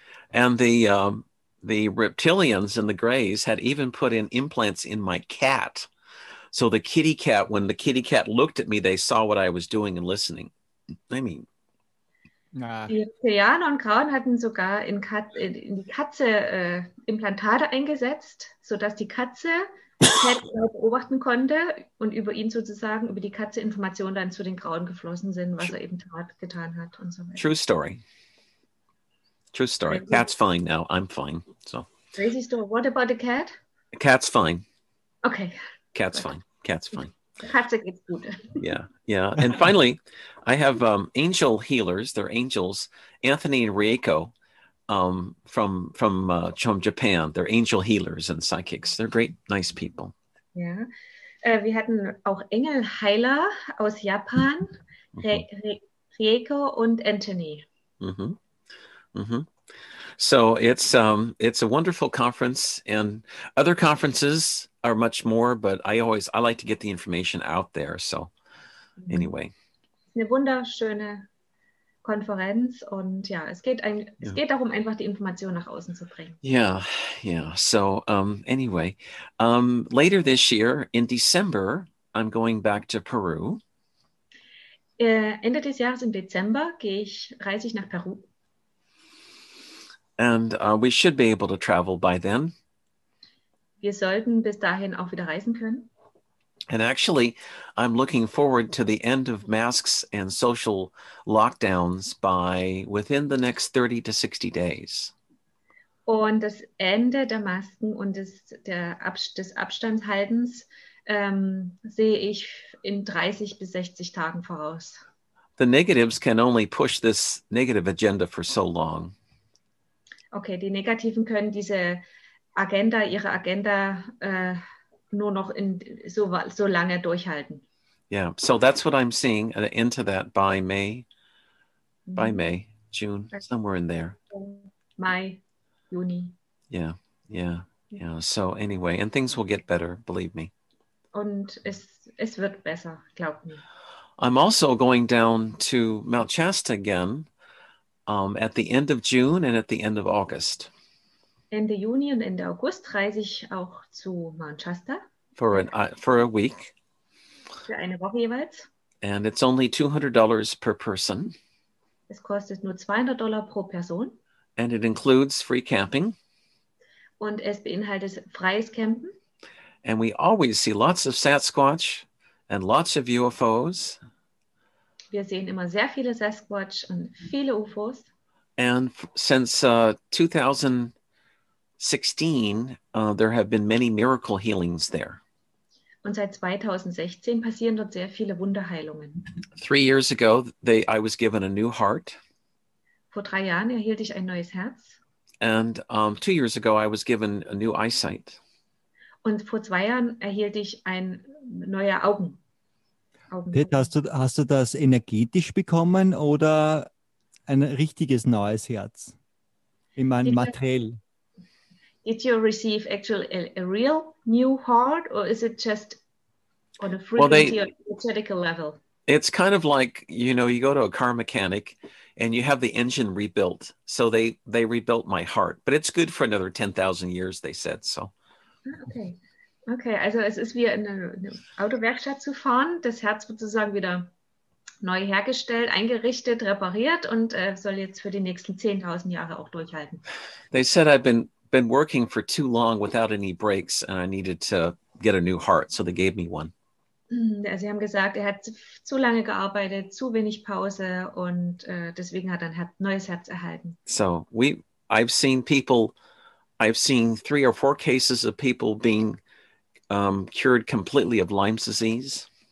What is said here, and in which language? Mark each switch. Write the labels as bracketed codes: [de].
[en] And the reptilians and the greys had even put in implants in my cat. So the kitty cat, when the kitty cat looked at me, they saw what I was doing and listening. I mean. [de] Die Reptilianer und Grauen hatten sogar in die Katze Implantate eingesetzt, sodass die Katze beobachten konnte und über ihn sozusagen, über die Katze Informationen dann zu den Grauen geflossen sind, was er eben getan hat und so weiter. [en] True story. Cat's fine now. I'm fine. So. Crazy story. What about the cat? Cat's fine. Okay. Cat's fine. [de] Katze geht's gut. [en] Yeah. And finally, I have angel healers. They're angels. Anthony and Rieko from Japan. They're angel healers and psychics. They're great, nice people. Yeah. [de] Wir hatten auch Engelheiler aus Japan, Rieko und Anthony. [en] So it's a wonderful conference, and other conferences are much more, but I like to get the information out there. So anyway. [de] Eine wunderschöne Konferenz, und ja, es geht darum, einfach die Information nach außen zu bringen. [en] Yeah. So later this year, in December, I'm going back to Peru. [de] Ende des Jahres, im Dezember, reise ich nach Peru. [en] And we should be able to travel by then. [de] Wir sollten bis dahin auch wieder reisen können. [en] And actually, I'm looking forward to the end of masks and social lockdowns by within the next 30 to 60 days. [de] Und das Ende der Masken und des Abstandshaltens sehe ich in 30 bis 60 Tagen voraus. [en] The negatives can only push this negative agenda for so long. [de] Okay, die Negativen können diese Agenda, ihre Agenda nur noch in so lange durchhalten. [en] Yeah, so that's what I'm seeing into that by May, June, somewhere in there. [de] Mai, Juni. [en] Yeah. So anyway, and things will get better, believe me. [de] Und es wird besser, glaub mir. [en] I'm also going down to Mount Shasta again. At the end of June and at the end of August. [de] Ende Juni und Ende August reise ich auch zu Mount Shasta. [en] For a week. [de] Für eine Woche jeweils. [en] And it's only $200 per person. [de] Es kostet nur $200 pro Person. [en] And it includes free camping. [de] Und es beinhaltet freies Campen. [en] And we always see lots of Sasquatch and lots of UFOs. [de] Wir sehen immer sehr viele Sasquatch und viele UFOs. [en] And since 2016, there have been many miracle healings there. [de] Und seit 2016 passieren dort sehr viele Wunderheilungen. [en] 3 years ago, I was given a new heart. [de] Vor 3 Jahren erhielt ich ein neues Herz. [en] And 2 years ago, I was given a new eyesight. [de] Und vor 2 Jahren erhielt ich ein neue Augen. Ted, hast du das energetisch bekommen oder ein richtiges neues Herz? Ich meine, materiell. [en] Did you receive actually a real new heart, or is it just on a frequency or energetic level? It's kind of like, you know, you go to a car mechanic and you have the engine rebuilt. So they rebuilt my heart, but it's good for another 10,000 years, they said. So. Okay. [de] Also es ist wie in eine Autowerkstatt zu fahren. Das Herz wird sozusagen wieder neu hergestellt, eingerichtet, repariert und soll jetzt für die nächsten 10,000 Jahre auch durchhalten. [en] They said I've been working for too long without any breaks and I needed to get a new heart. So they gave me one. [de] Sie haben gesagt, er hat zu lange gearbeitet, zu wenig Pause und deswegen hat er ein neues Herz erhalten. [en] So, I've seen 3 or 4 cases of people being cured completely of Lyme's disease.